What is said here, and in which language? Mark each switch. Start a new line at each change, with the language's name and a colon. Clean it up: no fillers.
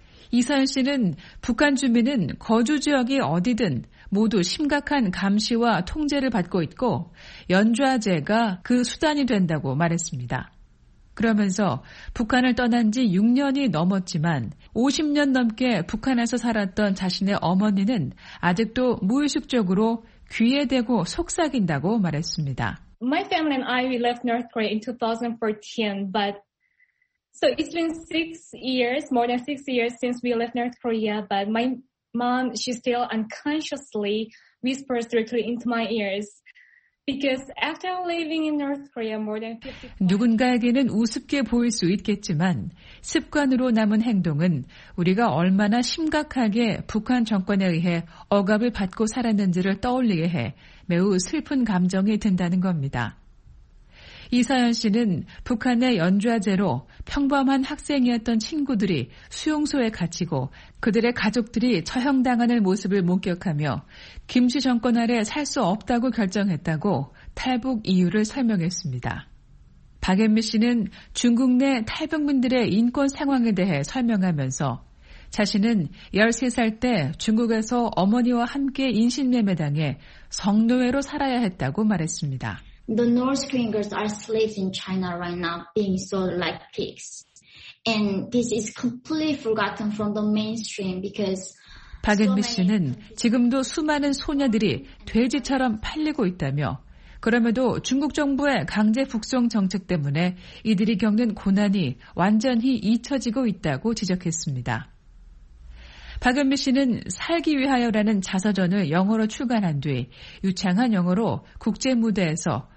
Korean: 이서현 씨는 북한 주민은 거주 지역이 어디든 모두 심각한 감시와 통제를 받고 있고 연좌제가 그 수단이 된다고 말했습니다. 그러면서 북한을 떠난 지 6년이 넘었지만 50년 넘게 북한에서 살았던 자신의 어머니는 아직도 무의식적으로 귀에 대고 속삭인다고 말했습니다.
English: My family and I, we left North Korea in 2014, but so it's been more than six years since we left North Korea, but my mom, she still unconsciously whispers directly into my ears. Because after living in North Korea more than 50
Korean: 누군가에게는 우습게 보일 수 있겠지만 습관으로 남은 행동은 우리가 얼마나 심각하게 북한 정권에 의해 억압을 받고 살았는지를 떠올리게 해 매우 슬픈 감정이 든다는 겁니다. 이서연 씨는 북한의 연좌제로 평범한 학생이었던 친구들이 수용소에 갇히고 그들의 가족들이 처형당하는 모습을 목격하며 김씨 정권 아래 살 수 없다고 결정했다고 탈북 이유를 설명했습니다. 박연미 씨는 중국 내 탈북민들의 인권 상황에 대해 설명하면서 자신은 13살 때 중국에서 어머니와 함께 인신매매당해 성노예로 살아야 했다고 말했습니다.
English: The North Koreans are slaves in China right now, being sold like pigs. And this is completely forgotten from the mainstream because
Korean: 박연미 씨는 지금도 수많은 소녀들이 돼지처럼 팔리고 있다며 그럼에도 중국 정부의 강제 북송 정책 때문에 이들이 겪는 고난이 완전히 잊혀지고 있다고 지적했습니다. 박연미 씨는 살기 위하여라는 자서전을 영어로 출간한 뒤 유창한 영어로 국제 무대에서